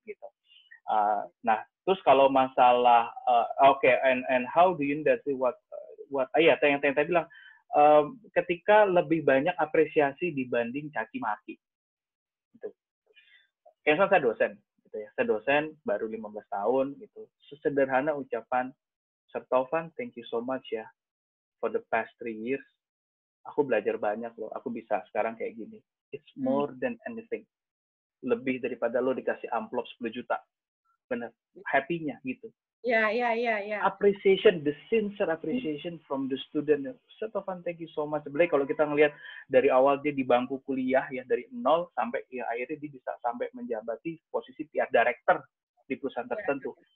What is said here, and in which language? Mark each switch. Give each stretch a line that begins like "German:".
Indonesian: Gitu. Nah, terus kalau masalah,
English: and how do you know what,
Indonesian: yang tadi bilang, ketika lebih banyak apresiasi dibanding caci maki. Gitu. Kayak saya dosen. Ya, saya dosen baru 15 tahun gitu. Sesederhana ucapan
English: Sir Taufan, thank you so much ya for the past 3 years.
Indonesian: Aku belajar banyak loh. Aku bisa sekarang kayak gini.
English: It's more than anything.
Indonesian: Lebih daripada lo dikasih amplop 10 juta. Benar. Happy-nya gitu. Ya.
English: Appreciation, the sincere appreciation from the student. Sir Taufan, thank you so much.
Indonesian: Sebenarnya kalau kita ngelihat dari awal dia di bangku kuliah ya, dari nol sampai ya, akhirnya dia bisa sampai menjabati posisi PR director di perusahaan tertentu.